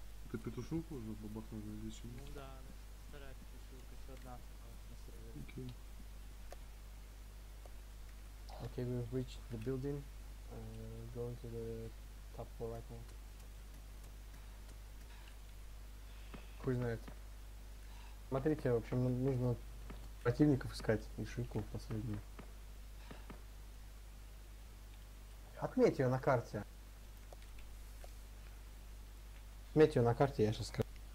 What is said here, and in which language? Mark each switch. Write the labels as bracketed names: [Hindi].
[Russian] Ты петушок уже бабахнул здесь? Ну да, вторая петушок, еще одна на сервере. Окей. [English] Okay, we've reached the building. Going to the top floor right now. [Russian] Хуй знает. Смотрите, в общем, нужно противников искать и Шилку последнюю. Отметь ее на карте. Отметь ее на карте, я сейчас скажу.